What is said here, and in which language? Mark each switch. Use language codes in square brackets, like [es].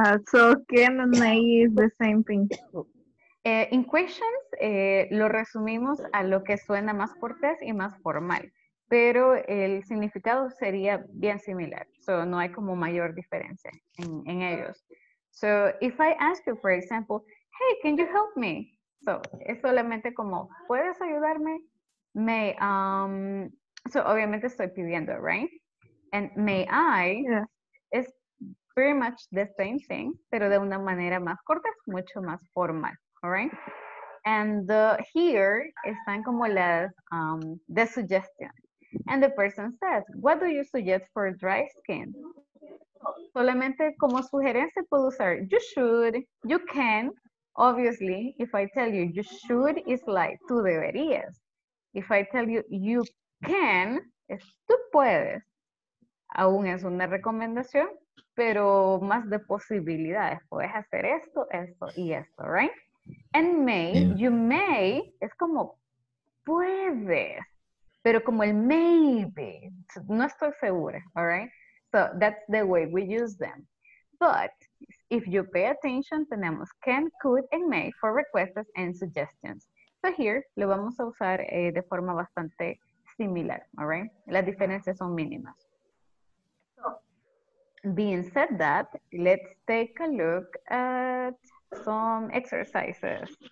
[en] So, can and may is the same thing. In questions, [es] lo resumimos a lo que suena más cortés y más formal. Pero el significado sería bien similar. So, no hay como mayor diferencia en ellos. [en] So, if I ask you, for example, hey, can you help me? [es] So, es solamente como, ¿puedes ayudarme? May, so, obviamente estoy pidiendo, [en] right? And may I, [es] es [en] pretty much the same thing, [es] pero de una manera más corta, es mucho más formal, [en] all right? And here [es] están como las, [en] the suggestion. And the person says, what do you suggest for dry skin? [es] Solamente como sugerencia puedo usar, [en] you should, you can. Obviously, if I tell you should, it's like, [es] tú deberías. [en] If I tell you, you can, [es] es tú puedes. Aún es una recomendación, pero más de posibilidades. Puedes hacer esto, esto y esto, [en] right? And may, you may, [es] es como, puedes. Pero como el maybe, no estoy segura, [en] all right? So that's the way we use them. But if you pay attention, [es] tenemos [en] can, could, and may for requests and suggestions. So here, [es] lo vamos a usar de forma bastante similar, [en] all right? [es] Las diferencias son mínimas. [en] So, being said that, let's take a look at some exercises.